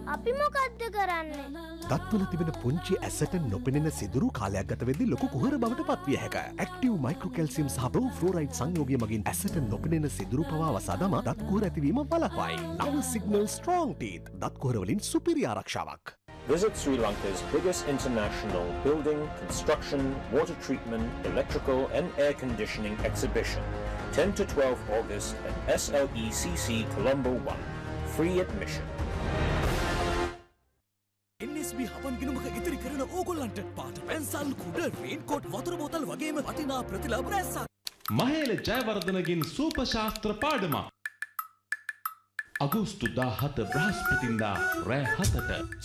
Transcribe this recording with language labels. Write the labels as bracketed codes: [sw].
[si] අපි මොකද්ද කරන්නේ? දත්වල තිබෙන පුංචි ඇසට නොපෙනෙන සිදුරු කාලයක් ගත වෙද්දී ලොකු කුහර බවට පත්විය හැකියි. ඇක්ටිව් මයික්‍රෝ කැල්සියම් සහ බ්‍රෝ ෆ්ලෝරයිඩ් සංයෝගය මගින් ඇසට නොපෙනෙන සිදුරු පවා වසා දමා දත් කුහර ඇතිවීම වළක්වයි. නව සිග්නල් ස්ට්‍රොง ටීත් දත් කුහර වලින් සුපිරි ආරක්ෂාවක්. [en] Visit Sri Lanka's biggest international building, construction, water treatment, electrical and air conditioning exhibition, 10 to 12 August at SLECC Colombo 1. Free admission. [si] NSB හවන් ගිනුමක ඉතිරි කරන ඕගොල්ලන්ට පාට පැන්සල් කුඩ රේන්කෝට් වතුර බෝතල් වගේම වටිනා ප්‍රතිලාභ රැස්සක් මහේල ජයවර්ධනගෙන් සූපර් ශාස්ත්‍ර පාඩම අගෝස්තු 17 බ්‍රහස්පතින්දා රෑ 7ට